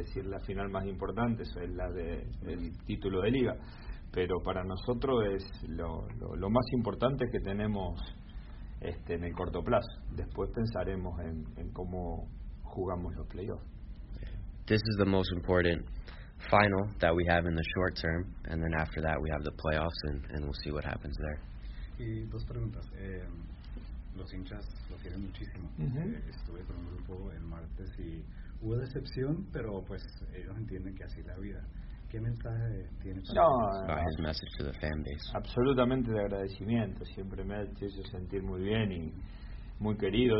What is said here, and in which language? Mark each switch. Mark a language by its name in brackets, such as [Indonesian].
[Spanish] Es decir, la final más importante es la del título de liga, pero para nosotros es lo más importante que tenemos en el corto plazo. Después pensaremos en cómo jugamos los playoffs. [English] This is the most important final that we have in the short term, and then after that we have the playoffs, and we'll see what happens there. [Spanish] Y dos preguntas. Los hinchas lo quieren muchísimo. Mm-hmm. Estuve con un grupo el martes y hubo decepción, pero pues ellos entienden que así es la vida. ¿Qué mensaje tiene para ellos? [English] His message to the fan base. [Spanish] Absolutamente de agradecimiento. Siempre me ha hecho sentir muy bien y muy querido.